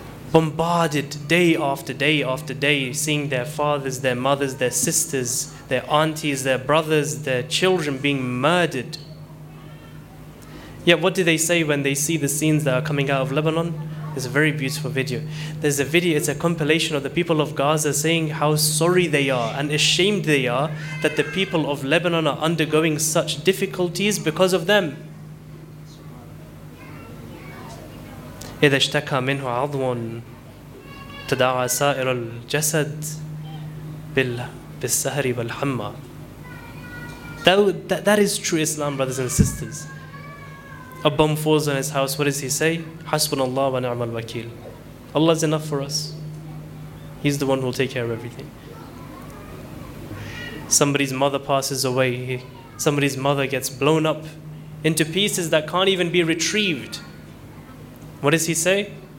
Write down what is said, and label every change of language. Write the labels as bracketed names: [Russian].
[English] Bombarded day after day after day, seeing their fathers, their mothers, their sisters, their aunties, their brothers, their children being murdered. Yet what do they say when they see the scenes that are coming out of Lebanon? It's a very beautiful video. There's a video, it's a compilation of the people of Gaza saying how sorry they are and ashamed they are that the people of Lebanon are undergoing such difficulties because of them. [Arabic] إذا اشتكى منه عضو تداعى سائر الجسد بالسهر والحمى. [English] That is true Islam, brothers and sisters. A bomb falls on his house, what does he say? [Arabic] Hasbunallah wa ni'mal wakil. [English] Allah is enough for us. He's the one who will take care of everything. Somebody's mother passes away. Somebody's mother gets blown up into pieces that can't even be retrieved. What does he say?